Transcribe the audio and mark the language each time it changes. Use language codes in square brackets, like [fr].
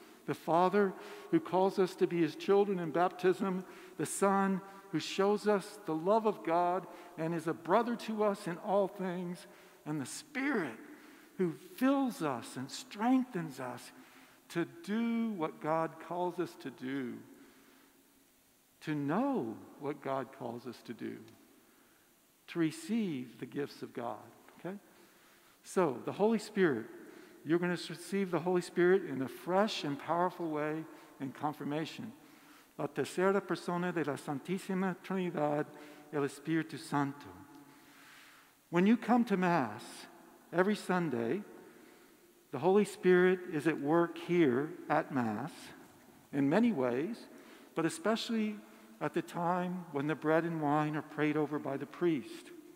[en] The Father, who calls us to be his children in baptism, the Son, who shows us the love of God and is a brother to us in all things, and the Spirit, who fills us and strengthens us to do what God calls us to do, to know what God calls us to do, to receive the gifts of God, okay? So, the Holy Spirit, you're going to receive the Holy Spirit in a fresh and powerful way in confirmation. [es] La tercera persona de la Santísima Trinidad, el Espíritu Santo. [en] When you come to Mass every Sunday, the Holy Spirit is at work here at Mass in many ways, but especially at the time when the bread and wine are prayed over by the priest.